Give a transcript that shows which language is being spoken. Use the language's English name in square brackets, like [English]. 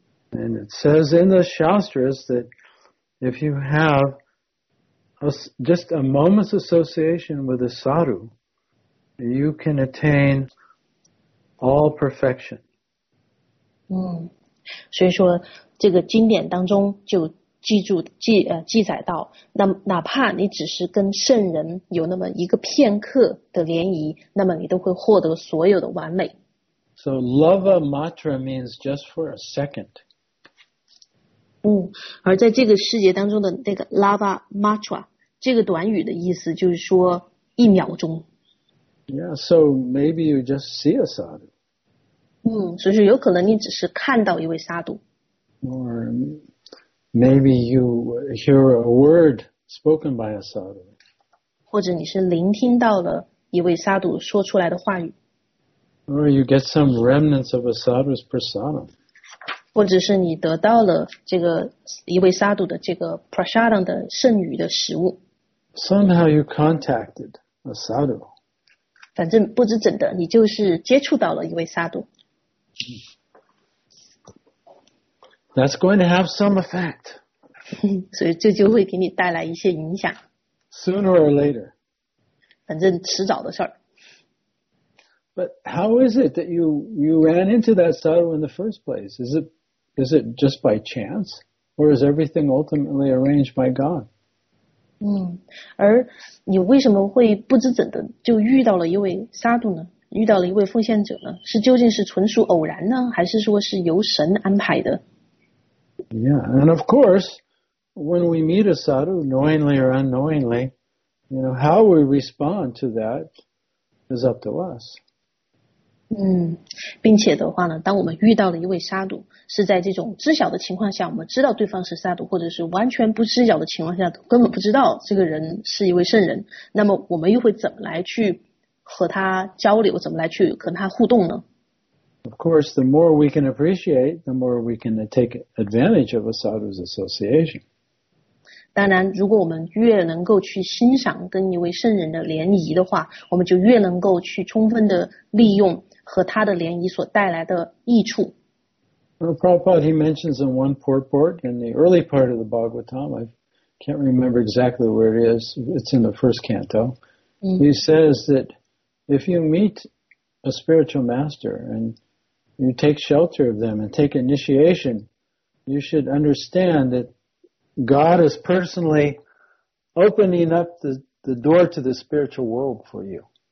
[English] And it says in the Shastras that if you have just a moment's association with a sadhu,You can attain all perfection. [Chinese] 所以说这个经典当中就记载到，那哪怕你只是跟圣人有那么一个片刻的联谊，那么你都会获得所有的完美。 [English] So lava matra means just for a second. [Chinese] 而在这个世界当中的那个 lava matra 这个短语的意思就是说一秒钟。 [English] Yeah, so maybe you just see a sadhu. [Chinese] 所以说有可能你只是看到一位沙杜。 [English] Or maybe you hear a word spoken by a sadhu. [Chinese] 或者你是聆听到了一位沙杜说出来的话语。 [English] Or you get some remnants of a sadhu's prasadam. [Chinese] 或者是你得到了这个一位沙杜的这个 prasadam 的剩余的食物。 [English] Somehow you contacted a sadhu. [Chinese] 反正不知怎的，你就是接触到了一位沙杜。 [English] That's going to have some effect. [Chinese] 所以这就会给你带来一些影响。 [English] Sooner or later. [Chinese] 反正迟早的事儿。 [English] But how is it that you ran into that sadhu in the first place? Is it just by chance? Or is everything ultimately arranged by God? [Chinese] 而你为什么会不知怎的就遇到了一位沙杜呢？遇到了一位奉献者呢？是究竟是纯属偶然呢？还是说是由神安排的？ [English] Yeah, and of course, when we meet a sadhu, knowingly or unknowingly, you know, how we respond to that is up to us. [Chinese] 并且的话呢，当我们遇到了一位沙杜，是在这种知晓的情况下，我们知道对方是沙杜，或者是完全不知晓的情况下，根本不知道这个人是一位圣人，那么我们又会怎么来去和他交流，怎么来去跟他互动呢？ [English] Of course, the more we can appreciate, the more we can take advantage of a sadhu's association. [Chinese] 当然，如果我们越能够去欣赏跟一位圣人的联谊的话，我们就越能够去充分的利用和他的联谊所带来的益处。 [English] Well, Prabhupada, he mentions in one purport in the early part of the Bhagavatam, I can't remember exactly where it is, it's in the first canto. He says that if you meet a spiritual master and you take shelter of them and take initiation, you should understand that God is personally opening up the door to the spiritual world for you.